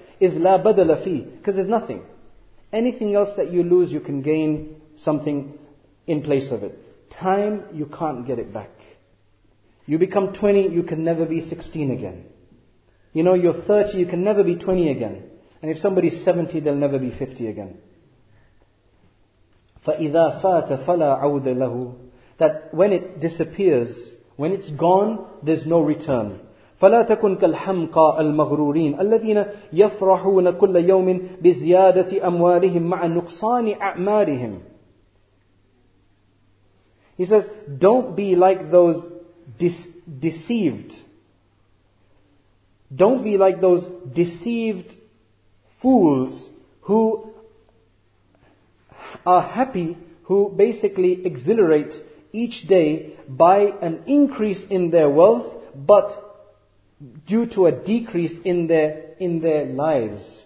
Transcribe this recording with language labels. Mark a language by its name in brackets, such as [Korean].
[Arabic] إِذْ لَا بَدَلَ فِيهِ [English] Because there's nothing. Anything else that you lose, you can gain something in place of it. Time, you can't get it back. You become 20, you can never be 16 again. You know, you're 30, you can never be 20 again. And if somebody's 70, they'll never be 50 again. [Arabic] فَإِذَا فَاتَ فَلَا عَوْدَ لَهُ [English] That when it disappears, when it's gone, there's no return. [Arabic] فَلَا تَكُنْ كَالْحَمْقَى الْمَغْرُورِينَ الَّذِينَ يَفْرَحُونَ كُلَّ يَوْمٍ بِزْيَادَةِ أَمْوَالِهِمْ مَعَ نُقْصَانِ أَعْمَالِهِمْ [English] He says, don't be like those deceived. Don't be like those deceived fools who are happy, who basically exhilarate each day by an increase in their wealth, but due to a decrease in their lives.